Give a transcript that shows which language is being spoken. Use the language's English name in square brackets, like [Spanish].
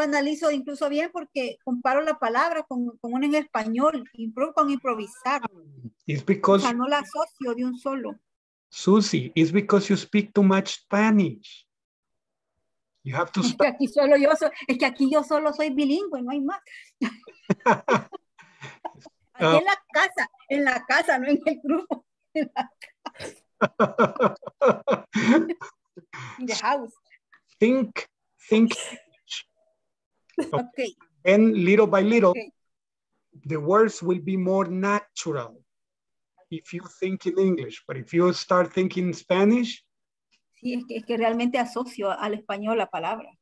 [Spanish] analizo incluso bien porque comparo la palabra con una en español, improve con improvisar. [English] It's because, [Spanish] o sea, no la asocio de un solo. [English] Susie, it's because you speak too much Spanish. You have to speak. [Spanish] Es que aquí yo solo soy bilingüe, no hay más. Aquí en la casa, no en el grupo. En la casa. [English] In the house. Think. Okay. And little by little, okay, the words will be more natural if you think in English. But if you start thinking Spanish. [Spanish] Sí, es que realmente asocio al español la palabra.